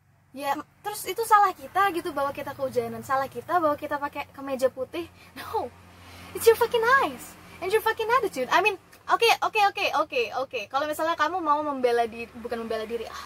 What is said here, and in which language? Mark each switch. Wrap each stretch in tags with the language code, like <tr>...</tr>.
<id>Ya, terus itu salah kita gitu bahwa kita kehujanan, salah kita bahwa kita pakai kemeja putih.</id> <en>No, it's your fucking eyes and your fucking attitude. I mean, Okay.</en> <id>Kalau misalnya kamu mau membela diri, bukan membela diri.</id>